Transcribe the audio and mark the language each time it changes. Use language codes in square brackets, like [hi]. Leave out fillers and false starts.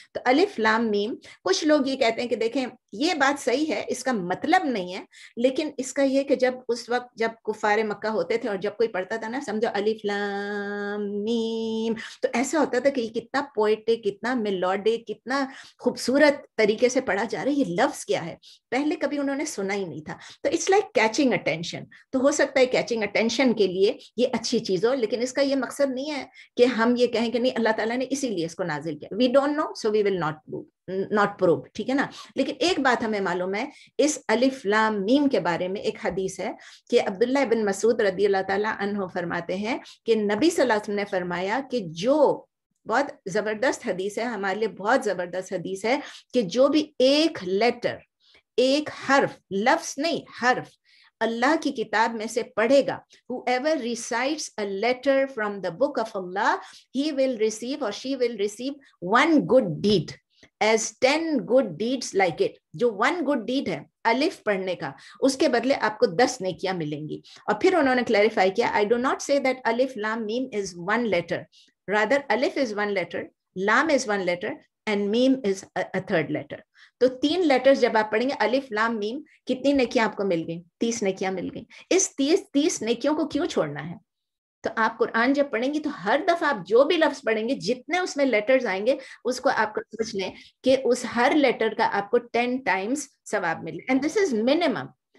[hi] तो अलिफ लाम मीम, कुछ लोग ये कहते हैं कि देखें ये बात सही है, इसका मतलब नहीं है, लेकिन इसका ये कि जब उस वक्त जब कुफारे मक्का होते थे और जब कोई पढ़ता था ना, समझो अलिफ लाम मीम, तो ऐसा होता था कि ये कितना पोएटिक, कितना मेलोडिक, कितना खूबसूरत तरीके से पढ़ा जा रहा है, ये लफ्ज क्या है, पहले कभी उन्होंने सुना ही नहीं था। तो [en] it's like catching attention, [hi] तो हो सकता है कैचिंग अटेंशन के लिए ये अच्छी चीज हो, लेकिन इसका ये मकसद नहीं है कि हम ये कहें कि नहीं अल्लाह ताला ने इसीलिए इसको नाजिल। [en] We don't know, so we will not probe, [hi] ठीक है ना? लेकिन एक बात हमें मालूम है, इस अलिफ लाम मीम के बारे में एक हदीस है कि अब्दुल्लाह बिन मसूद रदी अल्लाह ताला अन्हो फरमाते हैं कि नबी सल्लल्लाहु अलैहि वसल्लम ने फरमाया कि जो, बहुत जबरदस्त हदीस है हमारे लिए, बहुत जबरदस्त हदीस है कि जो भी एक लेटर, एक हर्फ, लफ्ज नहीं हर्फ, अल्लाह की किताब में से पढ़ेगा, [en] whoever recites a letter from the book of Allah, he will receive or she will receive one good deed as 10 good deeds like it. [hi] जो [en] one good deed [hi] है अलिफ पढ़ने का, उसके बदले आपको 10 नेकियां मिलेंगी। और फिर उन्होंने clarify किया, [en] I do not say that alif lam meem is one letter, rather alif is one letter, lam is one letter and meem is a third letter. [hi] तो तीन लेटर्स जब आप पढ़ेंगे अलिफ लाम मीम, कितनी नेकियां आपको मिल गई, 30 नेकियां मिल गई। इस 30 नेकियों को क्यों छोड़ना है? तो आप कुरान जब पढ़ेंगे तो हर दफा आप जो भी लफ्ज पढ़ेंगे, जितने उसमें लेटर्स आएंगे, उसको आपको सोच लें कि उस हर लेटर का आपको 10 टाइम्स सवाब मिले, [en] And this is minimum.